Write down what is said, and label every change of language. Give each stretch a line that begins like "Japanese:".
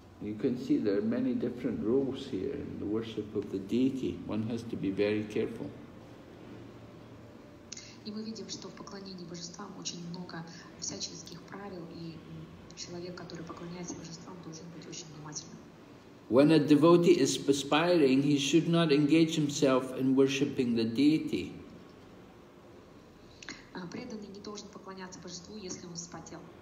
English: You can see there are many different rules here in the worship of the deity. One has to be very careful.
Russian: И мы видим, что в поклонении божествам очень много всяческих правил, и человек, который поклоняется божествам, должен быть очень внимательным.
English: When a devotee is aspiring, he should not engage himself in worshipping the deity.
Russian: Преданный не должен поклоняться божеству, если он вспотел.